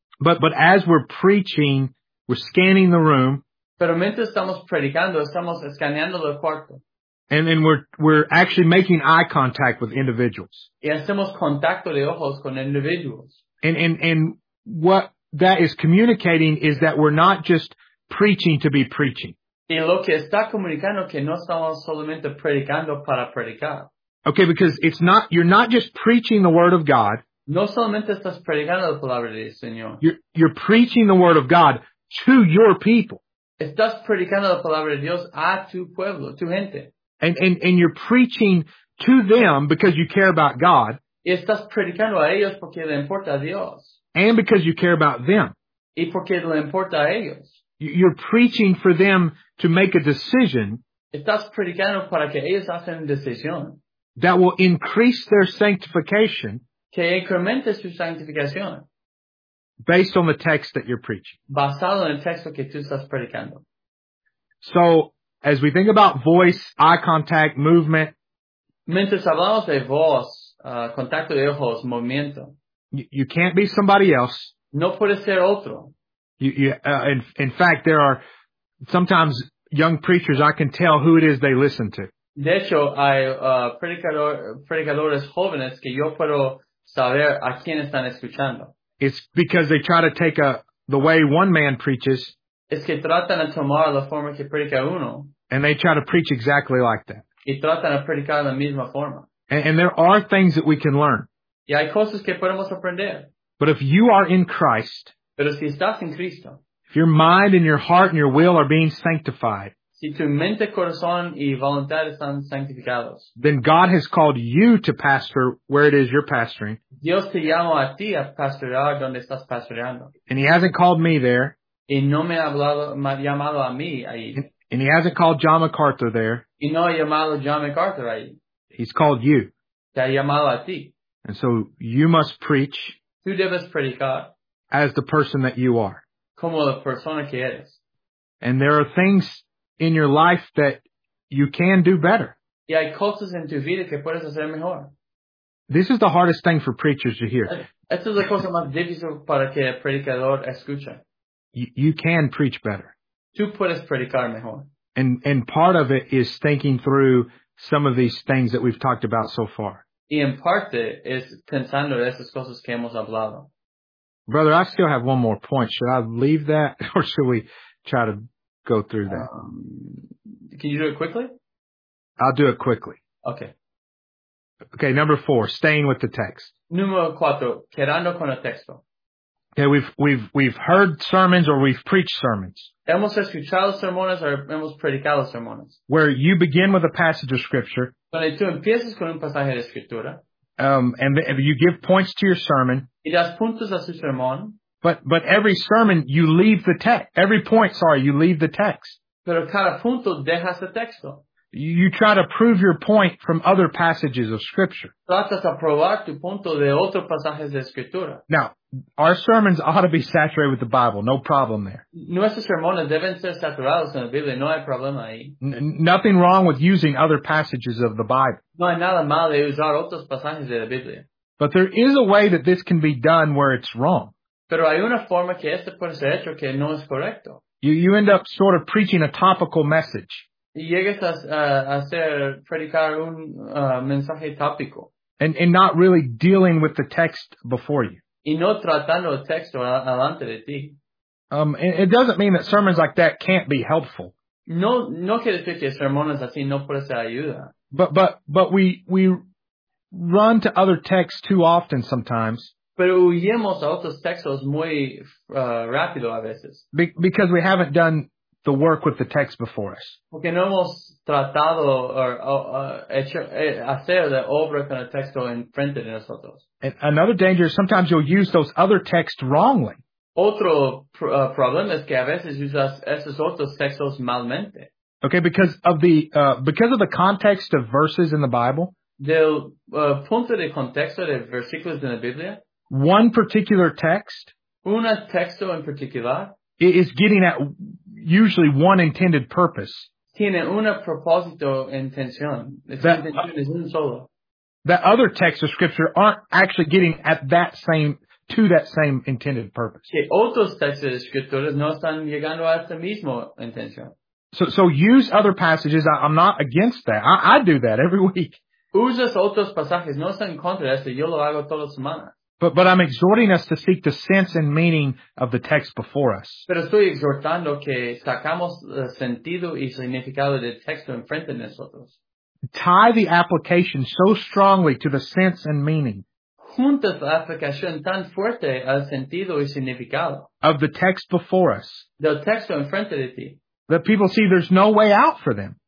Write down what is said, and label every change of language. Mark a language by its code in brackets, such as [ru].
[en] But as we're preaching, we're scanning the room. [es] Pero mientras estamos predicando, estamos escaneando el cuarto. [en] And we're actually making eye contact with individuals. [es] Y hacemos contacto de ojos con individuals. [en] And what that is communicating is that we're not just preaching to be preaching. [es] Y lo que está comunicando que no estamos solamente predicando para predicar. [en] Okay, because you're not just preaching the word of God. [es] No solamente estás predicando la palabra de Dios, Señor. [en] You're preaching the word of God to your people. [es] Estás predicando la palabra de Dios a tu pueblo, tu gente. [en] And you're preaching to them because you care about God. [es] Y estás predicando a ellos porque le importa a Dios. [en] And because you care about them. [es] Y porque le importa a ellos. [en] You're preaching for them to make a decision. [es] Estás predicando para que ellos hagan una decisión. [en] That will increase their sanctification. [es] Que incremente su santificación. [en] Based on the text that you're preaching. [es] Basado en el texto que tú estás predicando. [en] So, as we think about voice, eye contact, movement. [es] Mientras hablamos de voz, contacto de ojos, movimiento. [en] You can't be somebody else. [es] No puede ser otro. [en] In fact, there are sometimes young preachers, I can tell who it is they listen to. [es] De hecho, hay predicadores jóvenes que yo puedo saber a quién están escuchando. [en] It's because they try to take the way one man preaches. [es] Es que tratan de tomar la forma que predica uno. [en] And they try to preach exactly like that. [es] Y tratan de predicar de la misma forma. [en] And there are things that we can learn. [es] Y hay cosas que podemos aprender. [en] But if you are in Christ. [es] Pero si estás en Cristo. [en] If your mind and your heart and your will are being sanctified. [es] Si tu mente, corazón y voluntad están santificados. [en] Then God has called you to pastor where it is you're pastoring. [es] Dios te llama a ti a pastorear donde estás pastoreando. [en] And he hasn't called me there. [es] Y no me ha llamado a mí ahí. [en] And he hasn't called John MacArthur there. [es] Y no ha llamado John MacArthur ahí. [en] He's called you. [es] Te ha llamado a ti. [en] And so you must preach. [es] Tú debes predicar. [en] As the person that you are. [es] Como la persona que eres. [en] And there are things in your life that you can do better. [es] Y hay cosas en tu vida que puedes hacer mejor. [en] This is the hardest thing for preachers to hear. [es] Esta es la cosa más difícil para que el predicador escuche. [en] You can preach better. [es] Tú puedes predicar mejor. [en] And part of it is thinking through some of these things that we've talked about so far. [es] Y en parte es pensando en esas cosas que hemos hablado. [en] Brother, I still have one more point. Should I leave that or should we try to go through that? Can you do it quickly? I'll do it quickly. Okay. Okay, number four, staying with the text. [es] Número cuatro, quedando con el texto. [en] Okay, we've heard sermons or we've preached sermons. [es] Hemos escuchado sermones o hemos predicado sermones. [en] Where you begin with a passage of scripture. [es] Donde tú empiezas con un pasaje de escritura. [en] And you give points to your sermon. [es] Y das puntos a su sermón. [en] But every sermon, you leave the text. Every point, sorry, you leave the text. [es] Pero cada punto dejas el texto. [en] You try to prove your point from other passages of Scripture. [es] Tratas a probar tu punto de otros pasajes de Escritura. [en] Now, our sermons ought to be saturated with the Bible. No problem there. [es] Nuestros sermones deben ser saturados en la Biblia. No hay problema ahí. [en] Nothing wrong with using other passages of the Bible. [es] No hay nada mal de usar otros pasajes de la Biblia. [en] But there is a way that this can be done where it's wrong. [es] Pero hay una forma que esto puede ser hecho que no es correcto. [en] You end up sort of preaching a topical message. [es] Y llegas a hacer predicar un mensaje tópico. [en] And not really dealing with the text before you. [es] Y no tratando el texto delante de ti. [en] It doesn't mean that sermons like that can't be helpful. [es] No quiere decir que sermones así no puede ser ayuda. [en] But we run to other texts too often sometimes. [es] Pero huyemos a otros textos muy rápido a veces. [en] Because we haven't done the work with the text before us. [es] Porque no hemos tratado hacer la obra con el texto enfrente de nosotros. [en] And another danger is sometimes you'll use those other texts wrongly. [es] Otro problema es que a veces usas esos otros textos malmente. [en] Okay, because of the context of verses in the Bible. [es] Del punto de contexto de versículos en la Biblia. [en] One particular text. [es] Un texto en particular. [en] Is getting at usually one intended purpose. [es] Tiene una propósito intención. Its intención es un solo. [en] That other texts of Scripture aren't actually getting at that same, to that same intended purpose. [es] Que otros textos de Escrituras no están llegando a esa misma intención. [en] So use other passages. I'm not against that. I do that every week. [es] Usas otros pasajes. No están en contra de eso. Yo lo hago toda la semana. [en] But I'm exhorting us to seek the sense and meaning of the text before us. [es] Pero estoy exhortando que sacamos el sentido y significado del texto enfrente de nosotros. [en] Tie the application so strongly to the sense and meaning. [es] Junta la aplicación tan fuerte al sentido y significado. [en] Of the text before us. [es] Del texto enfrente de ti. [en] That people see there's no way out for them.